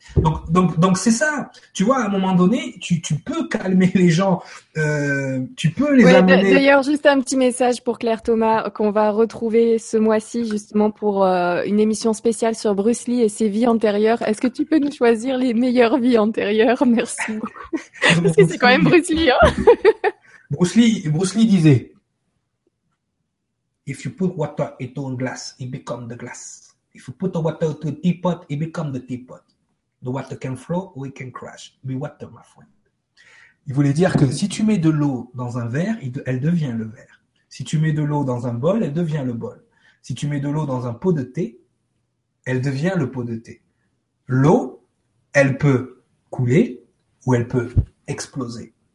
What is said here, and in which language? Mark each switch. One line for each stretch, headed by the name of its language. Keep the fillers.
French: Donc, donc, donc c'est ça. Tu vois, à un moment donné, tu, tu peux calmer les gens, euh, tu peux les Ouais, d'a- amener. D'ailleurs, juste un petit message pour Claire Thomas euh, qu'on va retrouver ce mois-ci justement pour euh, une émission spéciale sur Bruce Lee et ses vies antérieures. Est-ce que tu peux nous choisir les meilleures vies antérieures Merci. beaucoup. Parce que c'est quand même Bruce Lee. Hein
English: Bruce Lee,
French: Bruce Lee disait
English: If you put water into a glass, it becomes the glass. If you put the water into a teapot, it becomes the teapot. The water can flow or it can crash. Be water, my friend.
French: Il voulait dire que si tu mets de l'eau dans un verre, il de- elle devient le verre. Si tu mets de l'eau dans un bol, elle devient le bol. Si tu mets de l'eau dans un pot de thé, elle devient le pot de thé. L'eau, elle peut couler ou elle peut exploser.